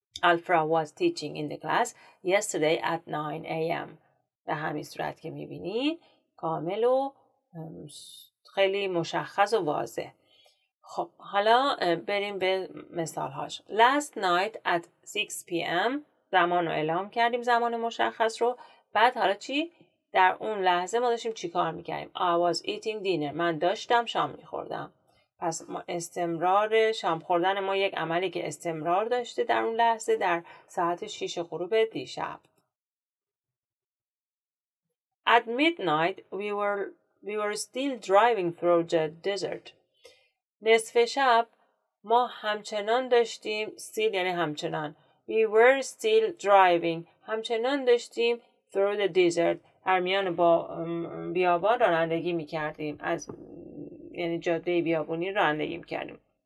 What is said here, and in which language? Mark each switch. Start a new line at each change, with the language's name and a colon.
English: Alfra was teaching in the class yesterday at 9 a.m.
Persian: به همین صورت که میبینید کامل و خیلی مشخص و واضح. خب حالا بریم به مثالهاش.
English: Last night at 6 p.m.
Persian: زمان رو اعلام کردیم، زمان مشخص رو. بعد حالا چی؟ در اون لحظه ما داشتیم چی کار میکردیم؟
English: I was eating dinner.
Persian: من داشتم شام میخوردم. پس ما استمرار شام خوردن ما یک عملی که استمرار داشته در اون لحظه در ساعت 6 غروب دیشب.
English: At midnight we were still driving through the desert.
Persian: نصف شب ما همچنان داشتیم، still یعنی همچنان،
English: we were still driving،
Persian: همچنان داشتیم
English: through the desert،
Persian: در میان با بیابان رانندگی میکردیم، از یعنی جاده بیابونی رانندگی میکردیم.